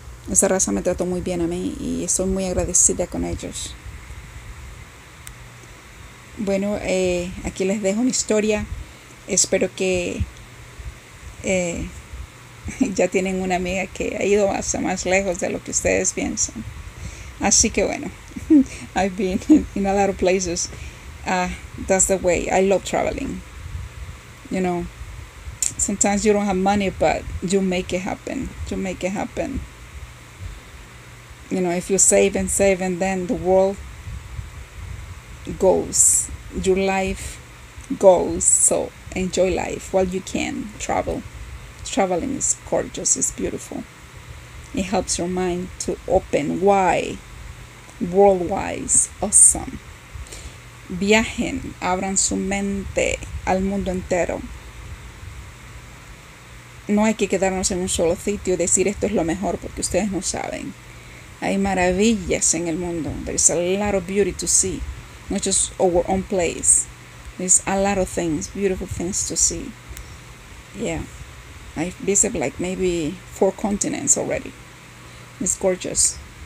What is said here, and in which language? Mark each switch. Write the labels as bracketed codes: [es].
[es] Esa raza me trató muy bien a mí y estoy muy agradecida con ellos. Bueno, aquí les dejo mi historia. Espero que ya tienen una amiga que ha ido más lejos de lo que ustedes piensan. Así que bueno, [en] I've been in a lot of places. That's the way. I love traveling. You know, sometimes you don't have money, but you make it happen. You make it happen. You know, if you save and save, and then the world goes, your life goes. So enjoy life while you can. Travel. Traveling is gorgeous, it's beautiful. It helps your mind to open wide, worldwise, awesome. [es] Viajen, abran su mente al mundo entero. No hay que quedarnos en un solo sitio y decir esto es lo mejor porque ustedes no saben. Hay maravillas en el mundo. [en] There's a lot of beauty to see, not just our own place. There's a lot of things, beautiful things to see. Yeah. I've visited like maybe four continents already. It's gorgeous.